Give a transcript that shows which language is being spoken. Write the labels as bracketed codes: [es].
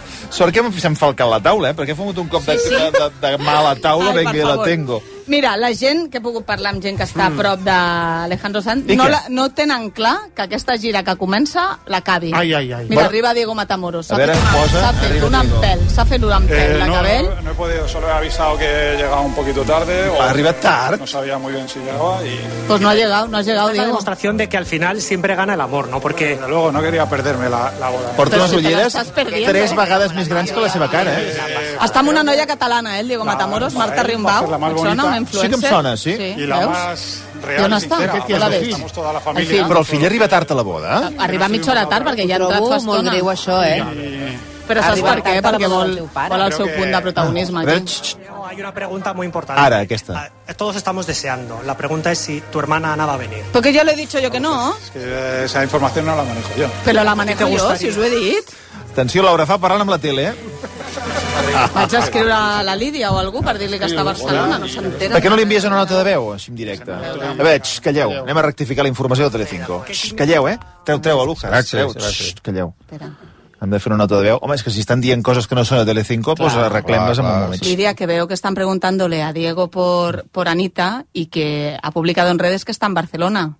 [ca] Sort que s'ha enfalcat la taula, perquè he fumut un cop de mala taula. Venga, ja la tengo. Mira, la gent, que he pogut parlar amb gent que està a prop d'Alejandro Sanz, no tenen clar que aquesta gira que comença l'acabi. Ai. Mira, bueno, arriba Diego Matamoros. A veure, posa. S'ha fet un empel. [es] No he podido, solo he avisado que he llegado un poquito tarde. [ca] Ha arribat tard. [es] No sabía muy bien si llegaba y... Pues no ha llegado, Diego. Es una demostración de que al final siempre gana el amor, ¿no? Porque... Desde luego, no quería perderme la boda. [ca] Porto unes ulleres tres vegades més grans que la seva cara, Està amb una noia catalana, Diego Matamoros, Marta Rimbau. Sí que em sona, sí. I la veus? Real, on està? [es] Estamos toda la familia. [ca] Però el fill arriba tard a la boda. Arriba mitja hora tard perquè ja ha entrat fa estona. Molt greu això, eh? Sí. Però saps per què? Perquè vol el seu punt de protagonisme. [es] Hay una pregunta muy importante. [ca] Ara, aquesta. [es] Todos estamos deseando. La pregunta es si tu hermana Ana va a venir. Porque ya lo he dicho yo que no. Es que esa información no la manejo yo. Pero la manejo yo, [ca] si us ho he dit. Atenció, Laura fa parlant amb la tele, Vaig a escriure a la Lídia o a algú per dir-li que està a Barcelona, no s'entera. Per què no li envies una nota de veu, així en directe? A veure, calleu, anem a rectificar la informació de Telecinco. Calleu, Treu a l'Ujas. Calleu. Hem de fer una nota de veu. Home, és que si estan dient coses que no són de Telecinco, doncs pues arreglem-les en un moment. [es] Lídia, que veo que estan preguntándole a Diego por Anita y que ha publicado en redes que está en Barcelona.